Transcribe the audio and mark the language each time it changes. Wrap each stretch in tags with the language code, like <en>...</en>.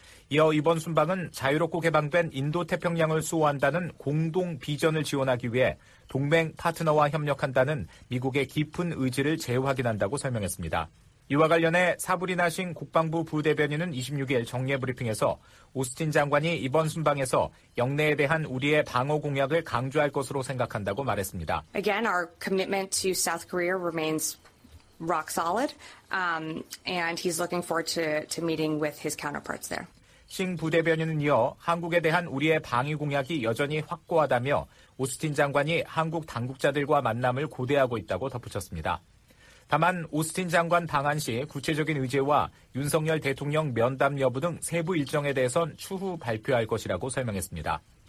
<ko>이어 이번 순방은 자유롭고 개방된 인도태평양을 수호한다는 공동 비전을 지원하기 위해 동맹 파트너와 협력한다는 미국의 깊은 의지를 재확인한다고 설명했습니다. 이와 관련해 사브리나 싱 국방부 부대변인은 26일 정례 브리핑에서 오스틴 장관이 이번 순방에서 역내에 대한 우리의 방어 공약을 강조할 것으로 생각한다고 말했습니다.</ko> <en>Again, our commitment to South Korea remains rock solid, and he's looking forward to meeting with his counterparts there.</en> <ko>싱 부대변인은 이어 한국에 대한 우리의 방위 공약이 여전히 확고하다며 오스틴 장관이 한국 당국자들과 만남을 고대하고 있다고 덧붙였습니다. 다만 오스틴 장관 방한 시 구체적인 의제와 윤석열 대통령 면담 여부 등 세부 일정에 대해선 추후 발표할 것이라고 설명했습니다.</ko>